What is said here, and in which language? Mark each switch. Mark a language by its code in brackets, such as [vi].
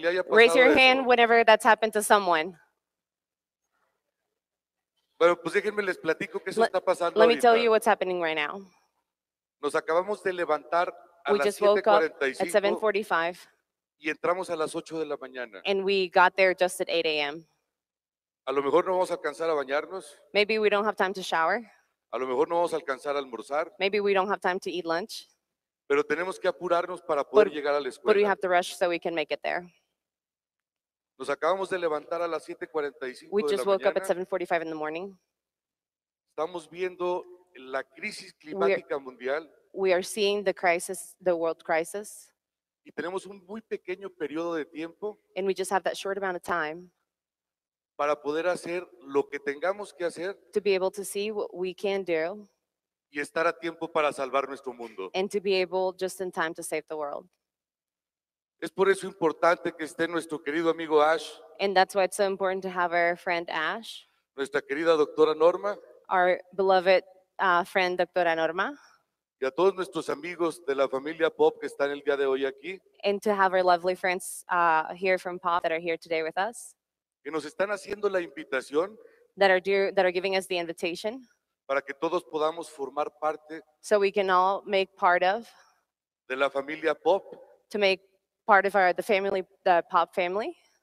[en] Raise your hand whenever that's happened to someone. [es] Bueno, pues déjenme les platico qué está pasando. [en] Let me tell you what's happening right now. [es] Nos acabamos de levantar a [en] we [es] las [en] just woke [es] 7:45 [en] up at 7:45 [es] y entramos a las 8 de la mañana. [en] And we got there just at 8 a.m. [es] A lo mejor no vamos a alcanzar a bañarnos. [en] Maybe we don't have time to shower. [es] A lo mejor no vamos a alcanzar a almorzar. [en] Maybe we don't have time to eat lunch. [es] Pero tenemos que apurarnos para poder llegar a la escuela. [en] But we have to rush so we can make it there. [es] Nos acabamos de levantar a las 7:45 de la mañana. [en] We just woke up at 7:45 in the morning. [es] Estamos viendo la crisis climática mundial. [en] We are seeing the crisis, the world crisis. [es] Y tenemos un muy pequeño periodo de tiempo. [en] And we just have that short amount of time. [es] Para poder hacer lo que tengamos que hacer. [en] To be able to see what we can do. [es] Y estar a tiempo para salvar nuestro mundo. [en] And to be able just in time to save the world. [es] Es por eso importante que esté nuestro querido amigo Ash. [en] And that's why it's so important to have our friend Ash. [es] Nuestra querida doctora Norma. [en] Our beloved friend, doctora Norma. [es] Y a todos nuestros amigos de la familia Pop que están el día de hoy aquí. [en] And to have our lovely friends here from Pop that are here today with us. [es] Que nos están haciendo la invitación. [en] That are giving us the invitation. [es] Para que todos podamos formar parte. [en] So we can all make part of. [es] De la familia Pop. [en] To make part of the Pop family.